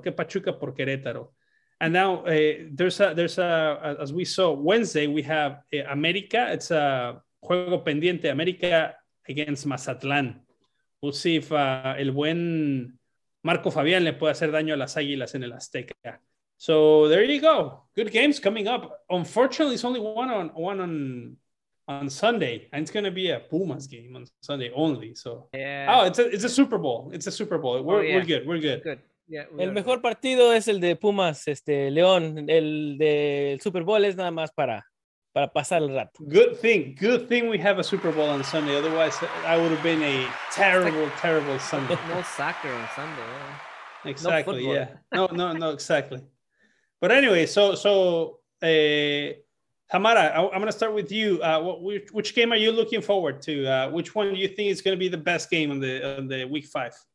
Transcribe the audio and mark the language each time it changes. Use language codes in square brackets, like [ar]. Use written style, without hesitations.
[en] ¿Qué Pachuca por Querétaro? And now there's a as we saw Wednesday we have América. It's a [es] juego pendiente, [en] América against Mazatlán. We'll see if [es] el buen Marco Fabián le puede hacer daño a las Águilas en el Azteca. [en] So there you go. Good games coming up. Unfortunately, it's only one on Sunday, and it's going to be a Pumas game on Sunday only. So yeah. Oh, it's a Super Bowl. It's a Super Bowl. We're good. Yeah. [es] El mejor partido es el de Pumas, León. El del Super Bowl es nada más para pasar el rato. [en] Good thing we have a Super Bowl on Sunday. Otherwise, I would have been a terrible Sunday. No soccer on Sunday. Yeah. Exactly. No, yeah. No. Exactly. But anyway, Tamara, I'm going to start with you. Which game are you looking forward to? Which one do you think is going to be the best game on the week five?